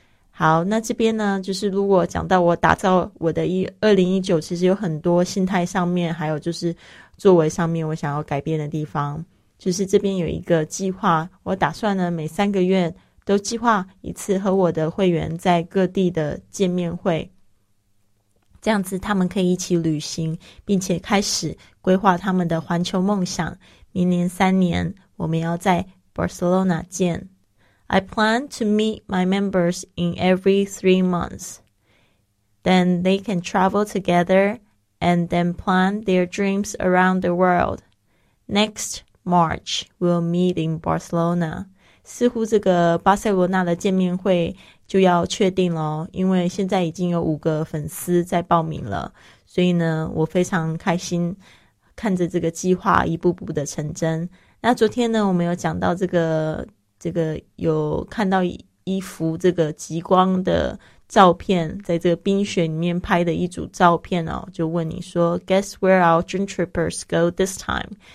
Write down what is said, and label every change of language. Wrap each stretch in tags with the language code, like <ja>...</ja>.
<zh>好，那这边呢就是如果讲到我打造我的2019，其实有很多心态上面还有就是作为上面我想要改变的地方，就是这边有一个计划，我打算呢每三个月都计划一次和我的会员在各地的见面会，这样子他们可以一起旅行，并且开始规划他们的环球梦想。明年三年我们要在 Barcelona 见。</zh> <en>I plan to meet my members in every 3 months. Then they can travel together and then plan their dreams around the world. Next March we'll meet in Barcelona.</en> <zh>似乎这个巴塞罗那的见面会就要确定了，因为现在已经有5粉丝在报名了，所以呢我非常开心看着这个计划一步步的成真。那昨天呢我们有讲到这个有看到一幅这个极光的照片，在这个冰雪里面拍的一组照片哦，就问你说</zh> <en>Guess where our dream trippers go this time?</en>